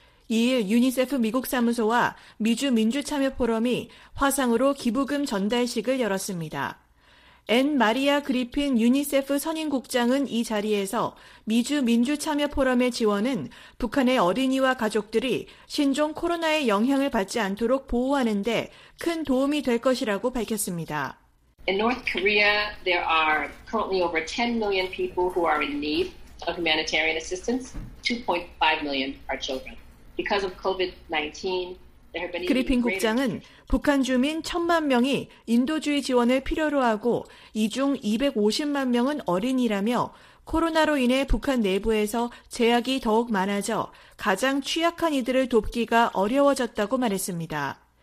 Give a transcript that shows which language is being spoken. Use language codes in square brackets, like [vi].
[ko] 2일 유니세프 미국 사무소와 미주 민주참여포럼이 화상으로 기부금 전달식을 열었습니다. 앤 마리아 그리핀 유니세프 선임국장은 이 자리에서 미주 민주참여포럼의 지원은 북한의 어린이와 가족들이 신종 코로나의 영향을 받지 않도록 보호하는 데 큰 도움이 될 것이라고 밝혔습니다. [en] In North Korea, there are currently over 10 million people who are in need of humanitarian assistance. 2.5 million are children. Because of COVID-19, there have been [ko] 그리핀 국장은 북한 주민 1천만 명이 인도주의 지원을 필요로 하고 이 중 250만 명은 어린이라며 코로나로 인해 북한 내부에서 제약이 더욱 많아져 가장 취약한 이들을 돕기가 어려워졌다고 말했습니다.